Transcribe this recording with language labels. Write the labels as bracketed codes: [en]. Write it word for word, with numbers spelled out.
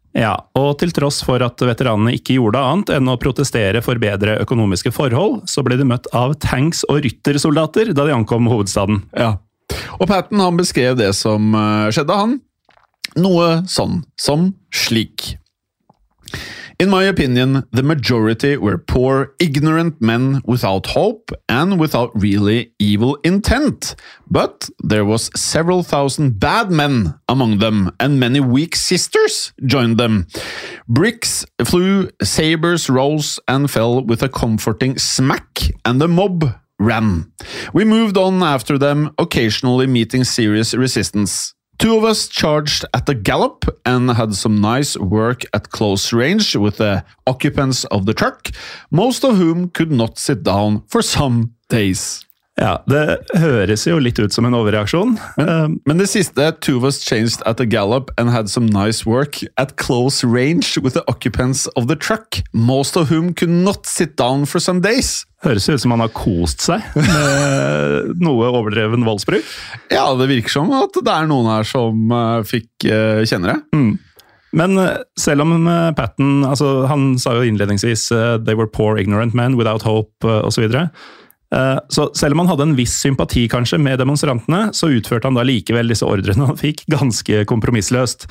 [no] Ja, og til tross for at veteranene ikke gjorde annet enn å protestere for bedre økonomiske forhold, så ble de møtt av tanks og ryttersoldater da de ankom hovedstaden. Ja, og Patton han beskrev det som skjedde han, noe sånn som slik. [en] In my opinion, the majority were poor, ignorant men without hope and without really evil intent. But there was several thousand bad men among them, and many weak sisters joined them. Bricks flew, sabers rose and fell with a comforting smack, and the mob ran. We moved on after them, occasionally meeting serious resistance. Two of us charged at the gallop and had some nice work at close range with the occupants of the truck, most of whom could not sit down for some days. [no] Ja, det høres jo litt ut som en overreaksjon. Men, um, men det siste, [en] two of us changed at the gallop and had some nice work at close range with the occupants of the truck, most of whom could not sit down for some days. [no] Høres ut som han har kost seg med noe overdreven voldsbruk. Ja, det virker som at det er noen her som fikk kjenne det. Mm. Men selv om Patton, altså han sa jo innledningsvis [en] «They were poor, ignorant men without hope» [no] og så videre, så selv om han hadde en viss sympati kanskje med demonstrantene, så utførte han da likevel disse ordrene han fikk ganske kompromissløst.